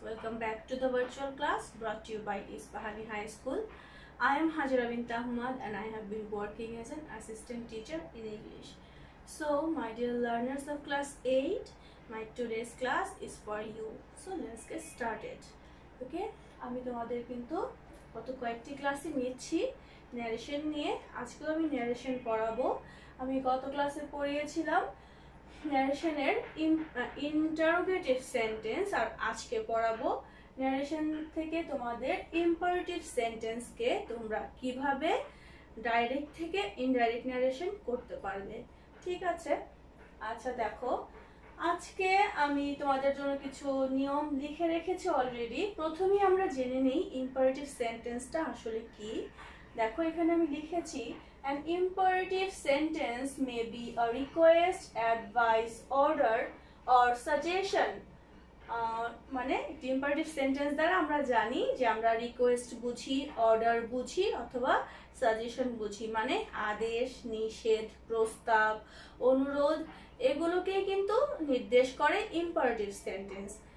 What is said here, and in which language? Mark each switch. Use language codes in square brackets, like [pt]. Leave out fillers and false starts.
[en] Welcome back to the virtual class brought to you by East Bahari High School. I am Hajra Bint Ahmad and I have been working as an assistant teacher in English. So, my dear learners of class 8, my today's class is for you. So, let's get started. Okay? [bn] আমি তোমাদের কিন্তু গত কয়েকটি ক্লাসে নিয়েছি narration নিয়ে। আজকে আমি ন্যারেশন পড়াবো। আমি গত ক্লাসে পড়িয়েছিলাম ন্যারেশনের ইন্টারোগেটিভ সেন্টেন্স আর আজকে পড়াবো ন্যারেশন থেকে তোমাদের ইম্পারেটিভ সেন্টেন্সকে তোমরা কিভাবে ডাইরেক্ট থেকে ইনডাইরেক্ট ন্যারেশন করতে পারবে। ঠিক আছে, আচ্ছা দেখো, আজকে আমি তোমাদের জন্য কিছু নিয়ম লিখে রেখেছি অলরেডি। প্রথমেই আমরা জেনে নিই ইম্পারেটিভ সেন্টেন্সটা আসলে কি। দেখো এখানে আমি লিখেছি, [en] an imperative sentence may be a request, advice, order or suggestion. [bn] মানে ইম্পারেটিভ সেন্টেন্স দ্বারা আমরা জানি যে আমরা রিকোয়েস্ট বুঝি, অর্ডার বুঝি অথবা সাজেশন বুঝি, মানে আদেশ, নিষেধ, প্রস্তাব, অনুরোধ, এগুলোকে কিন্তু নির্দেশ করে ইম্পারেটিভ সেন্টেন্স।